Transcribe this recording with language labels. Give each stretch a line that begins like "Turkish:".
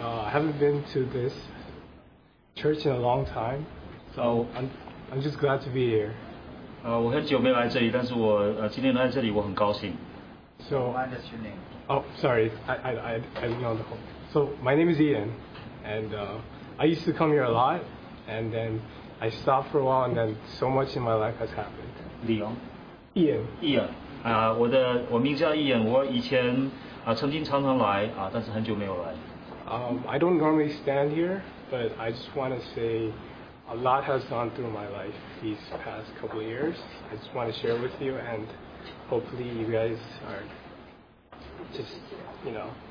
English: I haven't been to this church in a long time, so I'm just glad to be here.
Chinese: 我很久没来这里，但是我今天来这里，我很高兴.
English: So, remind us your name. Oh, sorry, I didn't know the whole. So my name is Ian, and I used to come here a lot, and then I stopped for a while, and then so much in my life has happened. Leon. Ian. Ian.
Chinese: 我名叫伊恩，我以前曾经常常来，但是很久没有来。
English: I don't normally stand here, but I just want to say a lot has gone through my life these past couple of years. I just want to share with you, and hopefully you guys are just, you know.